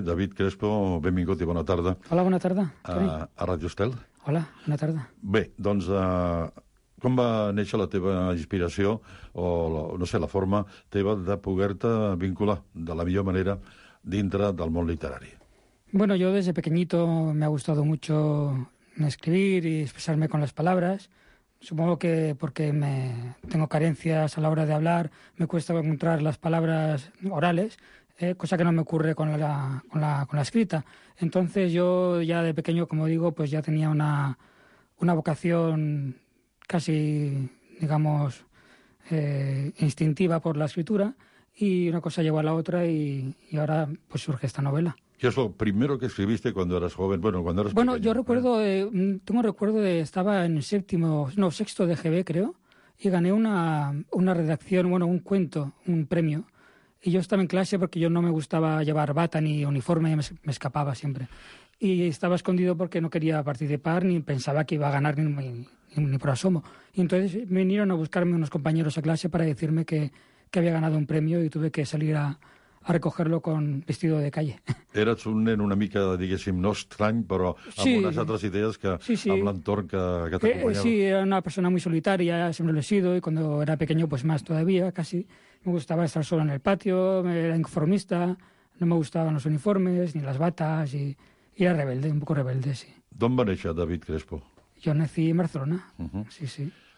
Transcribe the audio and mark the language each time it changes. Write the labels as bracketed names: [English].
[Catalan] David Crespo, benvingut i bona tarda. Hola, bona tarda. A Ràdio Estel. Hola, bona tarda. Bé, doncs com va néixer la teva inspiració o, no sé, la forma teva de poder-te vincular de la millor manera dintre del món literari? [Spanish] Bueno, yo desde pequeñito me ha gustado mucho escribir y expresarme con las palabras. Supongo que porque tengo carencias a la hora de hablar, me cuesta encontrar las palabras orales, cosa que no me ocurre con la escrita. Entonces yo ya de pequeño, como digo, pues ya tenía una vocación casi, digamos, instintiva por la escritura, y una cosa llevó a la otra y ahora pues surge esta novela. ¿Qué es lo primero que escribiste cuando eras joven? Bueno, cuando eras bueno, pequeño, yo recuerdo, tengo recuerdo de estaba en el séptimo, no, sexto de GB, creo, y gané una redacción, bueno, un cuento, un premio. Y yo estaba en clase porque yo no me gustaba llevar bata ni uniforme, me escapaba siempre. Y estaba escondido porque no quería participar ni pensaba que iba a ganar ni por asomo. Y entonces vinieron a buscarme unos compañeros a clase para decirme que había ganado un premio y tuve que salir a recogerlo con vestido de calle. [Catalan] Eres un nen una mica, diguéssim, no estrany, però amb sí, unes altres idees que sí, sí. Amb l'entorn que t'acompanyava. [Spanish] Sí, era una persona muy solitaria, siempre lo he sido, y cuando era pequeño, pues más todavía, casi. Me gustaba estar solo en el patio, era inconformista, no me gustaban los uniformes ni las batas, y era rebelde, un poco rebelde, sí. D'on va néixer David Crespo? Jo nací en Barcelona, sí, sí.